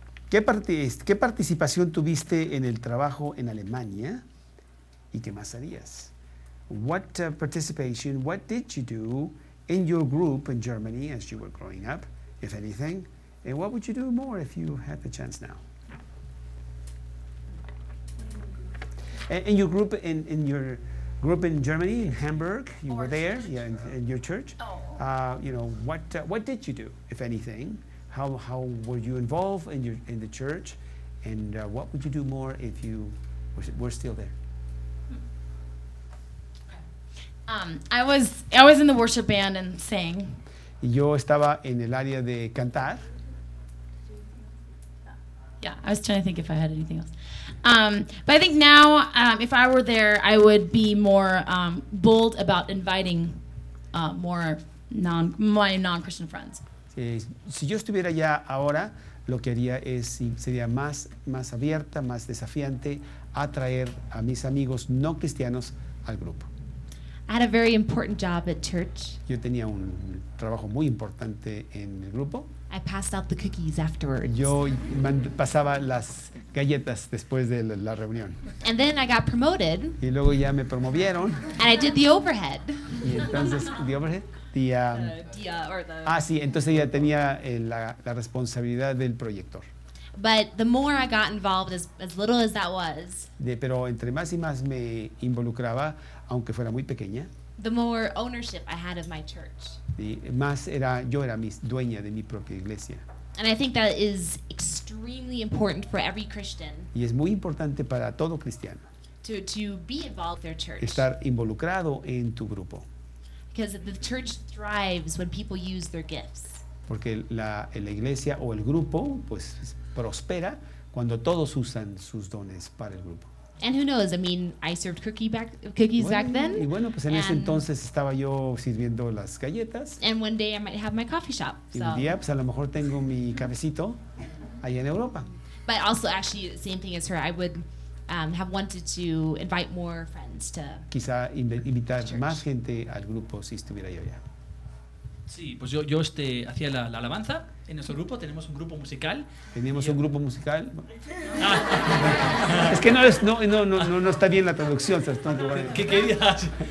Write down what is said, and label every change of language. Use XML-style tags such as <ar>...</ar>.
<es>¿Qué participación tuviste en el trabajo en Alemania y qué más harías?</es> <en>What participation, what did you do in your group in Germany as you were growing up, if anything? And what would you do more if you had the chance now? In your group in Germany, in Hamburg, you were there, in your church. Oh. You know, what did you do, if anything? How were you involved in your in the church, and what would you do more if you were still there? I was in the worship band and sang.</en> <es>Yo estaba en el área de cantar.</es> <en>Yeah, I was trying to think if I had anything else. But I think now, if I were there, I would be more bold about inviting my non-Christian friends.</en> <es>Sí, si yo estuviera allá ahora, lo que haría es sería más abierta, más desafiante a traer a mis amigos no cristianos al grupo.</es> <en>I had a very important job at church.</en> <es>Yo tenía un trabajo muy importante en el grupo.</es> <en>I passed out the cookies afterwards.</en> <es>Yo pasaba las galletas después de la reunión.</es> <en>And then I got promoted.</en> <es>Y luego ya me promovieron.</es> <en>And I did the overhead.</en> <es>Y entonces,</es> <en>the overhead?</en> <es>Sí, entonces ya tenía la responsabilidad del proyector.</es> <en>But the more I got involved, as little as that was.</en> <es>Pero entre más y más me involucraba, aunque fuera muy pequeña.</es> <en>The more ownership I had of my church.</en> <es>Más era yo era mi dueña de mi propia iglesia.</es> <en>And I think that is extremely important for every Christian.</en> <es>Y es muy importante para todo cristiano.</es> <en>To be involved with their church.</en> <es>Estar involucrado en tu grupo.</es> <en>Because the church thrives when people use their gifts.</en> <es>Porque la iglesia o el grupo pues prospera cuando todos usan sus dones para el grupo.</es> <en>And who knows? I mean, I served cookies back then.</en> <es>Y bueno, pues en ese entonces estaba yo sirviendo las galletas.</es> <en>And one day I might have my coffee shop.</en> <es>Y un día, pues a lo mejor tengo mi cafecito allá en Europa.</es> <en>But also, actually, the same thing as her. I would have wanted to invite more friends to.</en> <es>Quizá invitar más gente al grupo si estuviera yo allá. Sí, pues yo hacía la alabanza en nuestro grupo. Tenemos un grupo musical. Teníamos un grupo musical. Es que no está bien la traducción. ¿Qué querías?</es>